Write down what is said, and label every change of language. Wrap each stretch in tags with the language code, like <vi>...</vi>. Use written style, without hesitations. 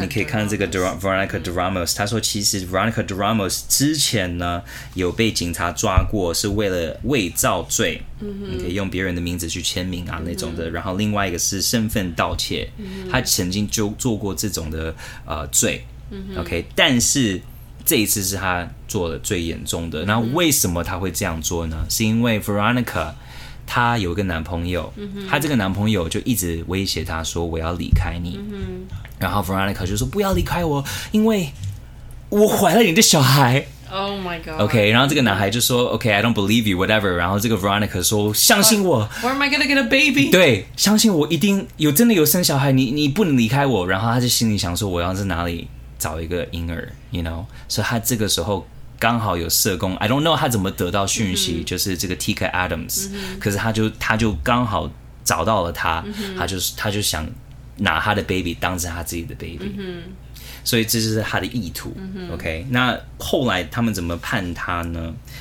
<zh>你可以看这个 Veronica De Ramos，、他说其实 Veronica De Ramos 之前呢有被警察抓过，是为了伪造罪，你可以用别人的名字去签名啊那种的。然后另外一个是身份盗窃，他曾经就做过这种的罪、OK， 但是这一次是他做的最严重的。那为什么他会这样做呢？是因为 Veronica 他有一个男朋友，他这个男朋友就一直威胁他说我要离开你，然后 Veronica 就说不要离开我，因为我怀了你的小孩。</zh> <en>Oh my god. OK，</en> <zh>然后这个男孩就说</zh> <en>OK， I don't believe you， whatever。</en> <zh>然后这个 Veronica 说相信我，</zh> <en>Where am I gonna get a baby？</en> <zh>对，相信我，一定有，真的有生小孩，你不能离开我。然后他就心里想说我要在哪里找一个婴儿，</zh> <en>you know。</en> <zh>所以他这个时候刚好有社工，</zh> <en>I don't know</en> <zh>他怎么得到讯息、就是这个 Tika Adams、可是他就刚好找到了他、他就想拿他的 baby 当成他自己的 baby、所以这就是他的意图、OK， 那后来他们怎么判他呢？</zh>